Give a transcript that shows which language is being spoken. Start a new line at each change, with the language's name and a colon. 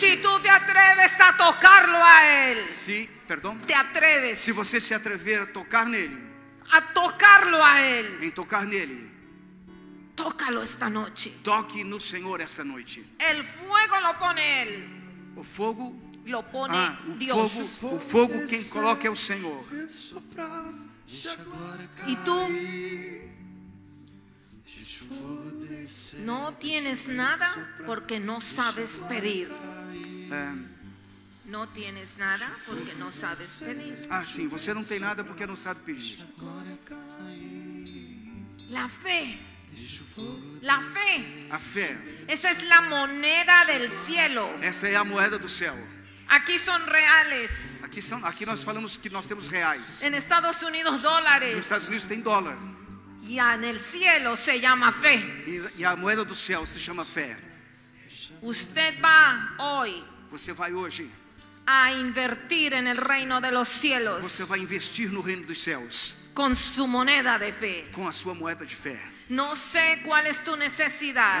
Spanish: Si tú te atreves a tocarlo a él. Sí, perdón. Te atreves.
Portuguese: Se você se atrever a tocar nele.
Spanish: A tocarlo a él.
Portuguese: Em tocar nele.
Spanish: Tócalo esta noche.
Portuguese: Toque no Senhor esta noite.
Spanish: El fuego lo pone él.
Portuguese: O fogo
Spanish: lo pone Dios.
Portuguese: O fogo quem coloca é o Senhor. E tu?
Spanish: Não tienes nada porque não sabes pedir. Não tienes nada porque não sabes pedir.
Portuguese: Ah, sim, você não tem nada porque não sabe pedir.
Spanish: La fe. La fe.
Portuguese: A fé.
Spanish: Esa es la moneda del cielo.
Portuguese: Essa é a moeda do céu.
Spanish: Aquí son reales.
Portuguese: Aqui nós falamos que nós temos reais.
Spanish: En Estados Unidos dólares.
Portuguese: Nos Estados Unidos tem dólar.
Spanish: Y en el cielo se llama fe.
Portuguese: E a moeda do céu se chama fé.
Spanish: Usted va hoy.
Portuguese: Você vai hoje.
Spanish: A invertir en el reino de los cielos.
Portuguese: Você vai investir no reino dos céus.
Spanish: Con su moneda de fe.
Portuguese: Com a sua moeda de fé.
Spanish: No sé cuál es tu necesidad.